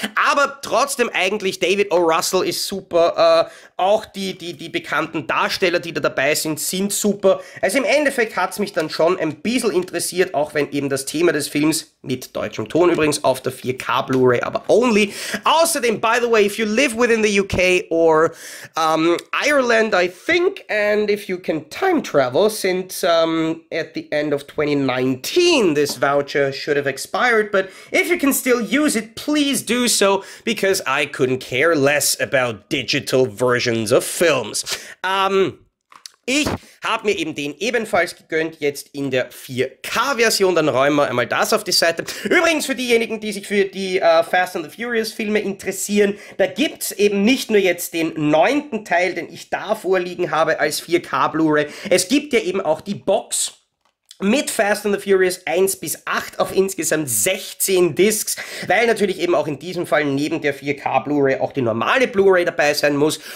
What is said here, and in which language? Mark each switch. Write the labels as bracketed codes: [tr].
[de] Aber trotzdem eigentlich, David O. Russell ist super. Auch die bekannten Darsteller, die da dabei sind, sind super. Also im Endeffekt hat es mich dann schon ein bisschen interessiert, auch wenn eben das Thema des Films, mit deutschem Ton übrigens, auf der 4K Blu-ray, aber only. [en] Außerdem, by the way, if you live within the UK or Ireland, I think, and if you can time travel, since at the end of 2019 this voucher should have expired, but if you can still use it, please do so, because I couldn't care less about digital versions of films. [de] Ich habe mir eben den ebenfalls gegönnt, jetzt in der 4K-Version, dann räumen wir einmal das auf die Seite. Übrigens für diejenigen, die sich für die Fast and the Furious Filme interessieren, da gibt's eben nicht nur jetzt den 9. Teil, den ich da vorliegen habe als 4K Blu-ray, es gibt ja eben auch die Box mit Fast and the Furious 1 bis 8 auf insgesamt 16 Discs, weil natürlich eben auch in diesem Fall neben der 4K Blu-ray auch die normale Blu-ray dabei sein muss.